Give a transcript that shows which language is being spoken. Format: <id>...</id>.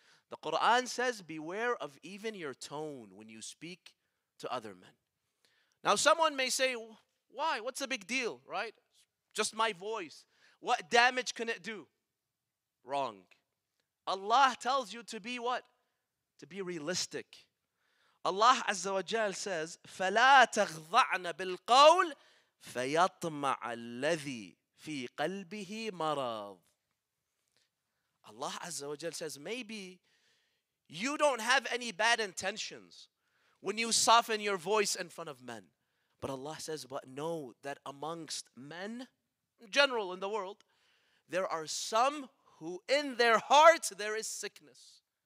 <en>The Quran says, beware of even your tone when you speak to other men. Now someone may say, why? What's the big deal, right? Just my voice. What damage can it do? Wrong. Allah tells you to be what? To be realistic. Allah Azza wa Jal says,</en> <ar>فَلَا تَغْضَعْنَ بِالْقَوْلِ فَيَطْمَعَ الَّذِي فِي قَلْبِهِ مَرَضٍ.</ar> <en>Allah Azza wa Jal says, maybe you don't have any bad intentions when you soften your voice in front of men. But Allah says, but know that amongst men, in general in the world, there are some who in their hearts there is sickness.</en>